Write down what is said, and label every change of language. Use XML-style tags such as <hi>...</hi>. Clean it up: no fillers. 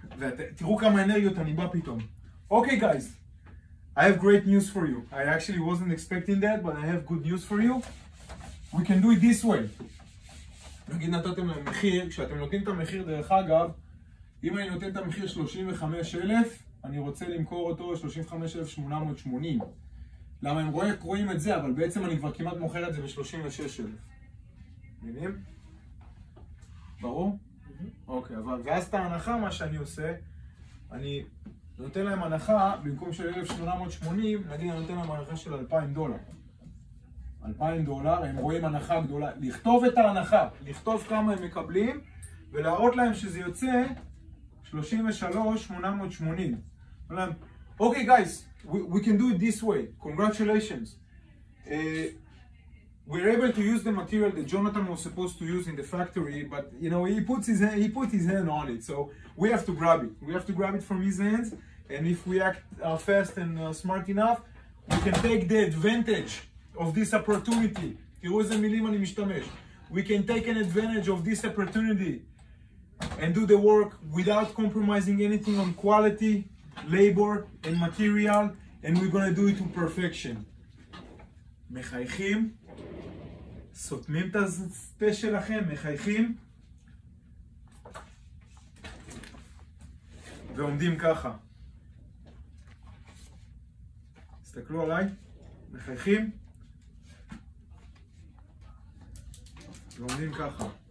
<he>ותראו כמה אנרגיות אני בא פתאום.</he> <en>Okay, guys. I have great news for you. I actually wasn't expecting that, but I have good news for you. We can do it this way.</en> <he>נגיד נתתם למחיר, כשאתם נותנים את המחיר דרך אגב, אם אני נותן את המחיר 35,000, אני רוצה למכור אותו 35,880. למה הם רואים את זה, אבל בעצם אני כבר כמעט מוכר את זה ב-36,000. מבינים? ברור? אוקיי, אבל ואז את ההנחה, מה שאני עושה, אני נותן להם הנחה, במקום של 1,880, נגיד אני נותן להם הנחה של 2,000 דולר. 2,000 דולר, הם רואים הנחה גדולה. לכתוב את ההנחה, לכתוב כמה הם מקבלים, ולהראות להם שזה יוצא 33,880. אומר להם, אוקיי, גייס,</he> <en>we can do it this way. Congratulations. We're able to use the material that Jonathan was supposed to use in the factory, but you know, he puts his hand on it, so we have to grab it. We have to grab it from his hands, and if we act fast and smart enough, we can take the advantage of this opportunity.</en> <he>תראו איזה מילים אני משתמש.</he> <en>We can take an advantage of this opportunity and do the work without compromising anything on quality, labor, and material, and we're gonna do it to perfection.</en> <he>מחייכים. סותמים את הפה שלכם, מחייכים ועומדים ככה. תסתכלו עליי, מחייכים ועומדים ככה.</he>